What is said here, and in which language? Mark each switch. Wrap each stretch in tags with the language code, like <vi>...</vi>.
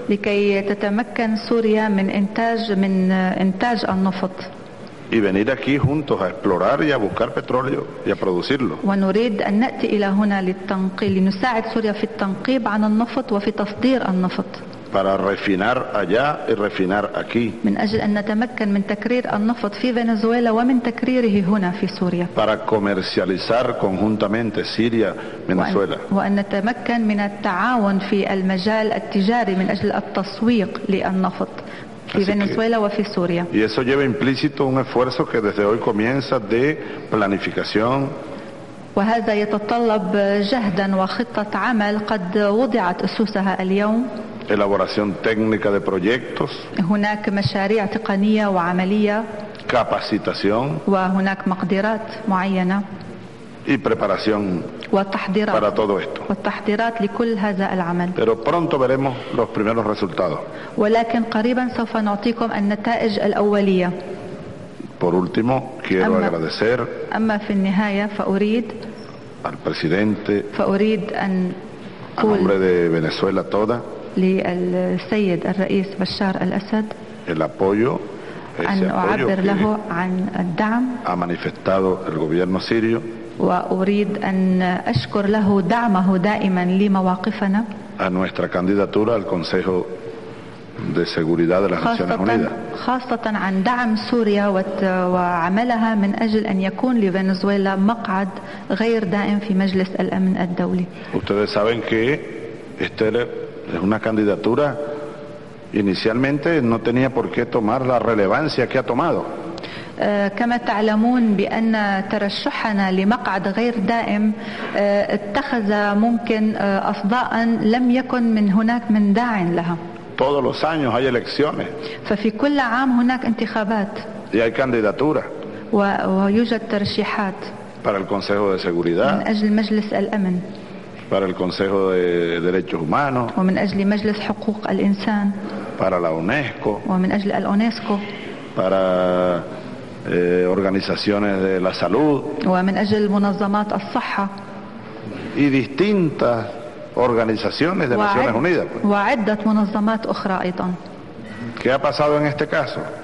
<ar>لكي تتمكن سوريا من إنتاج النفط.</ar> <es>Y venir aquí juntos a explorar y a buscar petróleo y a producirlo.</es> <ar>ونريد أن نأتي إلى هنا للتنقيب لنساعد سوريا في التنقيب عن النفط وفي تصدير النفط.</ar> <es>Para refinar allá y refinar aquí.</es> <ar>من أجل أن نتمكن من تكرير النفط في فنزويلا ومن تكريره هنا في سوريا.</ar> <es>Para comercializar conjuntamente Siria Venezuela.</es> <ar>وأن نتمكن من التعاون في المجال التجاري من أجل التسويق للنفط في فنزويلا وفي سوريا.</ar> <es>Y eso lleva implícito un esfuerzo que desde hoy comienza de planificación.</es> <ar>وهذا يتطلب جهدا وخطة عمل قد وضعت أسسها اليوم.</ar> <es>Elaboración técnica de proyectos.</es> <ar>هناك مشاريع تقنية وعملية.</ar> <es>Capacitación.</es> <ar>وهناك مقدرات معينة.</ar> <es>Y preparación.</es> <ar>والتحضيرات.</ar> <es>Para todo esto.</es> <ar>والتحضيرات لكل هذا العمل.</ar> <es>Pero pronto veremos los primeros resultados.</es> <ar>ولكن قريبا سوف نعطيكم النتائج الأولية.</ar> <es>Por último, quiero agradecer.</es> <ar>أما في النهاية فأريد.</ar> <es>Al presidente.</es> <ar>فأريد أن.</ar> <es>A nombre de Venezuela toda.</es> <ar>للسيد الرئيس بشار الأسد</ar> <es>el apoyo,</es> <ar>أن أعبر له عن الدعم</ar> <es>ha manifestado el gobierno sirio</es> <ar>وأريد أن أشكر له دعمه دائما لمواقفنا</ar> <es>a nuestra candidatura al Consejo de Seguridad de las Naciones Unidas</es> <ar>خاصة عن دعم سوريا وعملها من أجل أن يكون لفنزويلا مقعد غير دائم في مجلس الأمن الدولي.</ar> <es>Ustedes saben que es una candidatura inicialmente no tenía por qué tomar la relevancia que ha tomado.</es> <ar>كما تعلمون بأن ترشحنا لمقعد غير دائم اتخذ ممكن أصداء لم يكن من هناك من داع لها.</ar> <es>Todos los años hay elecciones.</es> <ar>ففي كل عام هناك انتخابات.</ar> <es>Y hay candidatura.</es> <ar>ويوجد ترشيحات.</ar> <es>Para el Consejo de Seguridad.</es> <ar>من أجل مجلس الأمن.</ar> <es>Para el Consejo de Derechos Humanos.</es> <ar>ومن أجل مجلس حقوق الإنسان.</ar> <es>Para la UNESCO.</es> <ar>ومن أجل الأونسكو.</ar> <es>Para organizaciones de la salud.</es> <ar>ومن أجل منظمات الصحة.</ar> <es>y distintas organizaciones de Naciones Unidas. Pues. ¿Qué ha pasado en este caso?</es>